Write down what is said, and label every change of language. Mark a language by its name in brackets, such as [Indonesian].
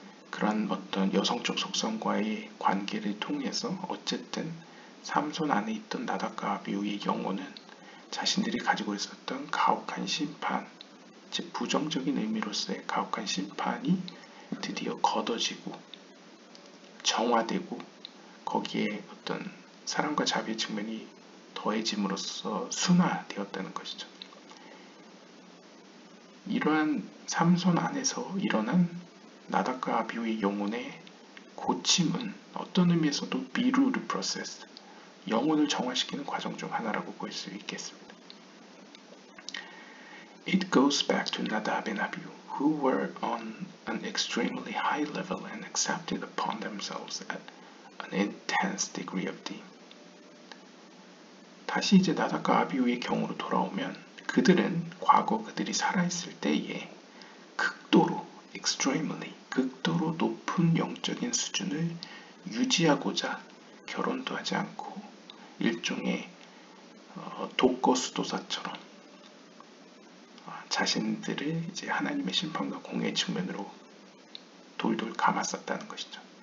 [Korean] 그런 어떤 여성적 속성과의 관계를 통해서 어쨌든 삼손 안에 있던 나답과 아비우의 영혼은 자신들이 가지고 있었던 가혹한 심판, 즉 부정적인 의미로서의 가혹한 심판이 드디어 걷어지고 정화되고 거기에 어떤 사랑과 자비의 측면이 더해짐으로써 순화되었다는 것이죠. 이러한 삼손 안에서 일어난 나답과 아비우의 영혼의 고침은 어떤 의미에서도 비루르 프로세스, 영혼을 정화시키는 과정 중 하나라고 볼 수 있겠습니다. [English] It goes back to Nadab and Abihu, who were on an extremely high level and accepted upon themselves at an intense degree of deem. [Korean] 다시 이제 나답과 아비우의 경우로 돌아오면 그들은 과거 그들이 살아있을 때에 극도로 [English] extremely [Korean] 극도로 높은 영적인 수준을 유지하고자 결혼도 하지 않고 일종의 독거 수도사처럼 자신들을 이제 하나님의 심판과 공의 측면으로 돌돌 감았었다는 것이죠.